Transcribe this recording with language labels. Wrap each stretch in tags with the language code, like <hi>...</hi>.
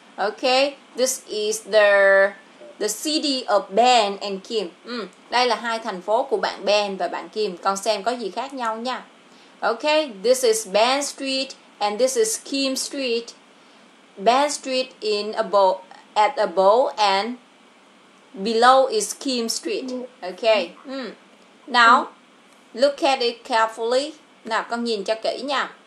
<en>Ok, this is the city of Ben and Kim.</en> <vi>Đây là hai thành phố của bạn Ben và bạn Kim. Con xem có gì khác nhau nha.</vi> <en>Okay, this is Ben Street and this is Kim Street. Ben Street in above and below is Kim Street. Okay. Now, look at it carefully.</en> <vi>Nào, con nhìn cho kỹ nha.</vi>